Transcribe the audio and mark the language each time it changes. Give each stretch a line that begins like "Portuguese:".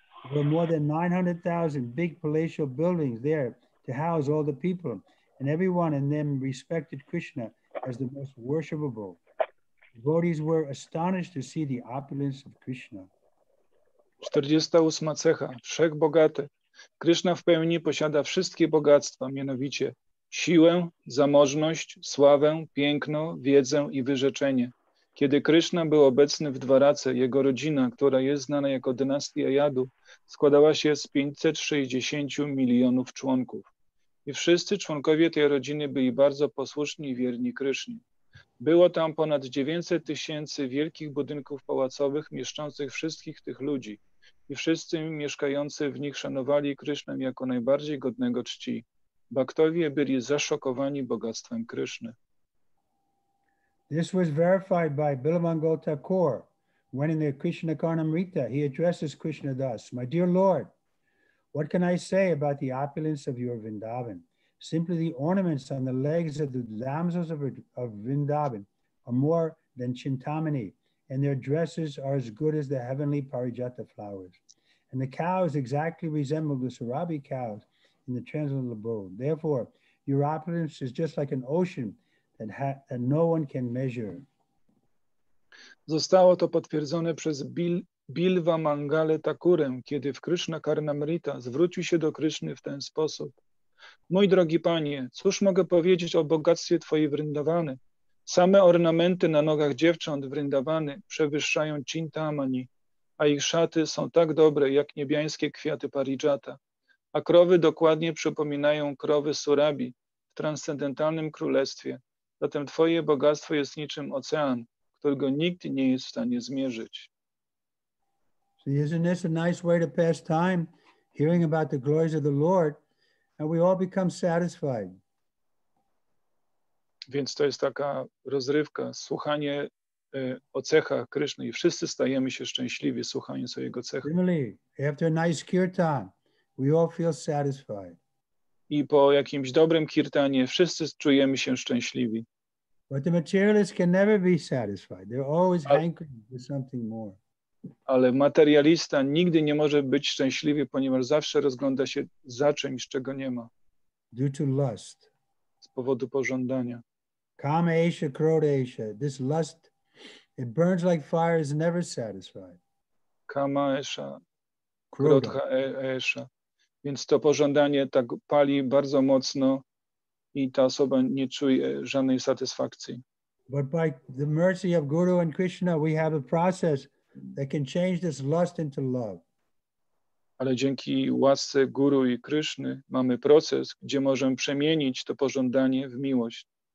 English: There were more than 900,000 big palatial buildings there to house all the people, and everyone in them respected Krishna as the most worshipable. Devotees were astonished to see the opulence of Krishna.
Polish: 48 cecha, wszech bogaty. Krishna w pełni posiada wszystkie bogactwa, mianowicie siłę, zamożność, sławę, piękno, wiedzę i wyrzeczenie. Kiedy Krishna był obecny w Dwarace, jego rodzina, która jest znana jako dynastia Yadu, składała się z 560 milionów członków. I wszyscy członkowie tej rodziny byli bardzo posłuszni i wierni Krishnie. Było tam ponad 900 tysięcy wielkich budynków pałacowych mieszczących wszystkich tych ludzi. I wszyscy mieszkający w nich szanowali Krishnę jako najbardziej godnego czci. Bhaktowie byli zaszokowani bogactwem Krishny.
English: This was verified by Bilwamangala Thakur when in the Krishna Karnamrita he addresses Krishna thus, my dear Lord, what can I say about the opulence of your Vrindavan? Simply the ornaments on the legs of the damsels of Vrindavan are more than Chintamani, and their dresses are as good as the heavenly Parijata flowers. And the cows exactly resemble the Sarabi cows in the transcendental abode. Therefore, your opulence is just like an ocean that no one can measure.
Polish: Zostało to potwierdzone przez Bilwa Mangale Thakurę, kiedy w Krishna Karnamrita zwrócił się do Krishny w ten sposób. Mój drogi panie, cóż mogę powiedzieć o bogactwie twojej Vrindavany? Same ornamenty na nogach dziewcząt Vrindavany przewyższają Chintamani, a ich szaty są tak dobre jak niebiańskie kwiaty Parijata. A krowy dokładnie przypominają krowy Surabi w transcendentalnym królestwie. Zatem twoje bogactwo jest niczym ocean, którego nikt nie jest w stanie zmierzyć.
English: So isn't this a nice way to pass time, hearing about the glories of the Lord, and we all become satisfied.
Polish: Więc to jest taka rozrywka, słuchanie o cechach Kryszny i wszyscy stajemy się szczęśliwi słuchając o jego cechach.
English: Really, after a nice kirtan, we all feel satisfied.
Polish: I po jakimś dobrym kirtanie wszyscy czujemy się szczęśliwi.
English: But the materialist can never be satisfied. They're always hankering for something more.
Polish: Ale materialista nigdy nie może być szczęśliwy, ponieważ zawsze rozgląda się za czymś, czego nie ma.
English: Due to lust.
Polish: Z powodu pożądania.
Sanskrit: Kamesha, krodesha.
English: This lust, it burns like fire, is never satisfied.
Sanskrit: Kamesha, krodesha.
Polish: Więc to pożądanie tak pali bardzo mocno i ta osoba nie czuje żadnej satysfakcji.
English: But by the mercy of Guru and Krishna, we have a process that can change this lust into love.
Polish: Ale dzięki łasce Guru i Krishny mamy proces, gdzie możemy przemienić to pożądanie w miłość.